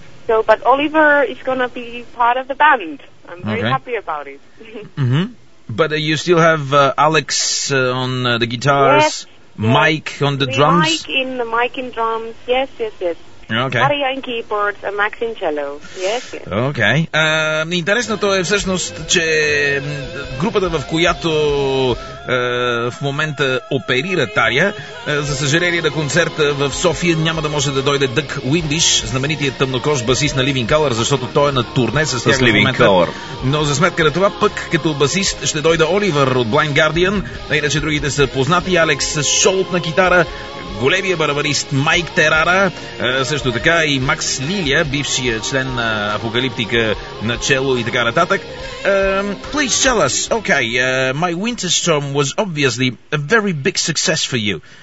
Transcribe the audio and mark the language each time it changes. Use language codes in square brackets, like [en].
[en] So, but Oliver is going to be part of the band. I'm very happy about it. Mm-hmm. But you still have Alex on the guitars, yes, Mike yes. on the drums. Mike in drums, yes. Okay. Maria in keyboards and Max in cello, yes. Okay. [bg] Интересното е всъщност, че групата, в която в момента оперира Тария, за съжаление на концерта в София няма да може да дойде Дък Уиндиш, знаменитият тъмнокож басист на Living Color, защото той е на турне с тях в момента. Color. Но за сметка на това, пък като басист ще дойде Оливър от Blind Guardian, иначе другите са познати, Алекс с Шолт на китара, големия барабанист Майк Терара, също така и Макс Лилия, бившия член на Апокалиптика на чело и така нататък. [en] Please tell us, okay, My Winter Storm was obviously a very big success for you.